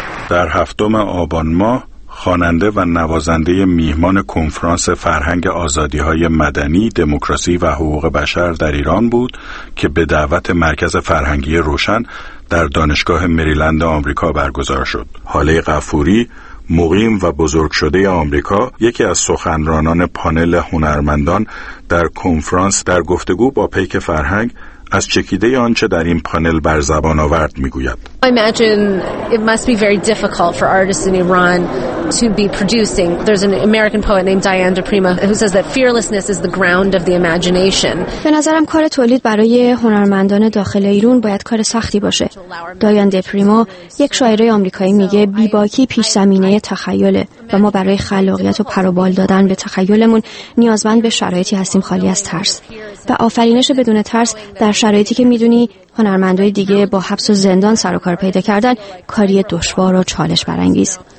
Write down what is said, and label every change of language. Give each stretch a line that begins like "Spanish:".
Persian: در هفتم آبان ماه خواننده و نوازنده میهمان کنفرانس فرهنگ آزادی‌های مدنی، دموکراسی و حقوق بشر در ایران بود که به دعوت مرکز فرهنگی روشن در دانشگاه مریلند آمریکا برگزار شد. حاله غفوری، مقیم و بزرگ شده آمریکا، یکی از سخنرانان پانل هنرمندان در کنفرانس، در گفتگو با پیک فرهنگ از چکیده آنچه در این پانل بر زبان آورد میگوید.
English: I imagine it must be very difficult for artists in Iran to be producing. There's an American poet named Diane De Prima who says that fearlessness is the ground of the imagination.
Persian: به نظرم کار تولید برای هنرمندان داخل ایران باید کار سختی باشه. دایان د پریما یک شاعره آمریکایی میگه بیباکی پیش زمینه تخیله و ما برای خلاقیت و پروبال دادن به تخیلمون نیازمند به شرایطی هستیم خالی از ترس. و آفرینش بدون ترس در شرایطی که میدونی هنرمندای دیگه با حبس و زندان سر و کار پیدا کردن کاری دشوار و چالش برانگیز.